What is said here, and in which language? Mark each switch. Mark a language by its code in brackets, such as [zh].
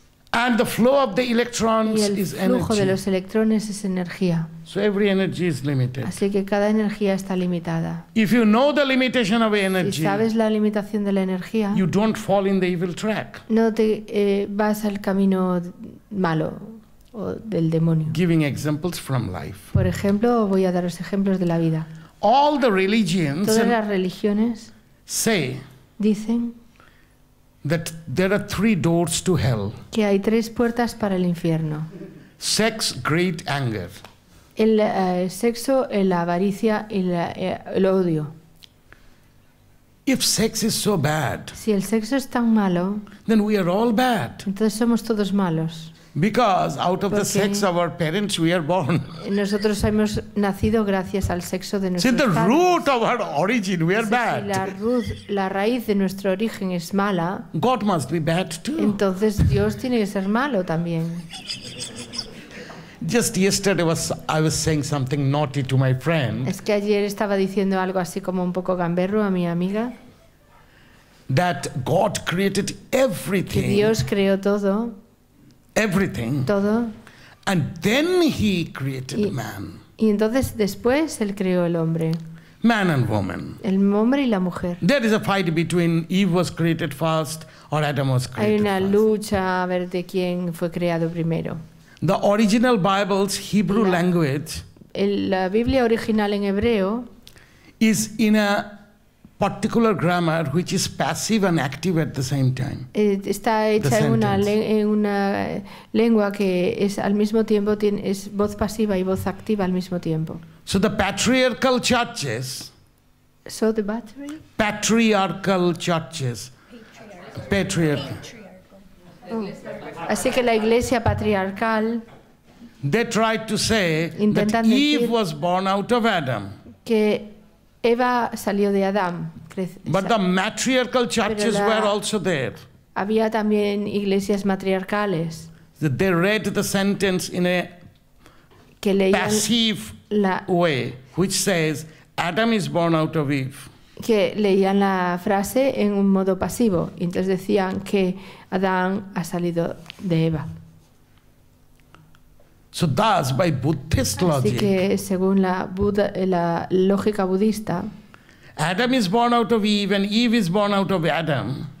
[en] And the flow of the electrons is energy. [es] Y el flujo de los electrones es energía. [en] So every energy is limited. [es] Así que cada energía está limitada. [en] If you know the limitation of energy, [es] si sabes la limitación de la energía, [en] you don't fall in the evil track. [es] No te vas al camino malo o del demonio. [en] Giving examples from life. [es] Por ejemplo, voy a daros ejemplos de la vida. [en] All the religions, [es] todas las religiones, [en] say, [es] dicen, [en] that there are three doors to hell. [es] Que hay tres puertas para el infierno. [en] Sex, greed, anger. [es] El sexo, la avaricia y el odio. [en] If sex is so bad, [es] si el sexo es tan malo, [en] then we are all bad. [es] Entonces somos todos malos. [en] Because out of the sex of our parents we are born. [es] Nosotros hemos nacido gracias al sexo de nuestros padres. [en] Since the root of our origin we are bad. [es] La raíz de nuestro origen es mala. [en] God must be bad too. [es] Entonces Dios tiene que ser malo también. [en] Just yesterday I was saying something naughty to my friend. [es] Es que ayer estaba diciendo algo así como un poco gamberro a mi amiga. [en] That God created everything. [es] Que Dios creó todo. [en] Everything. [es] Todo. [en] And then he created man. [es] Y entonces después él creó el hombre. [en] Man and woman. [es] El hombre y la mujer. [en] There is a fight between Eve was created first or Adam was created. [es] Hay una [en] first. [es] Lucha a ver de quién fue creado primero. [en] The original Bible's Hebrew language. [es] La Biblia original en hebreo [en] is in a particular grammar which is passive and active at the same time. [es] Está hecha en una lengua que es al mismo tiempo es voz pasiva y voz activa al mismo tiempo. [en] So the patriarchal churches. So the battery? Patriarchal churches. Patriarchal. [es] Así que la iglesia patriarcal. [en] They tried to say that Eve was born out of Adam. [es] Que Eva salió de Adam. [en] But the matriarchal churches were also there. [es] Había también iglesias matriarcales. [en] They read the sentence in a passive way, which says Adam is born out of Eve. [es] Que leían la frase en un modo pasivo, y entonces decían que Adán ha salido de Eva. [en] So thus, by Buddhist logic. [es] Así que según la lógica budista. [en] Adam is born out of Eve, and Eve is born out of Adam.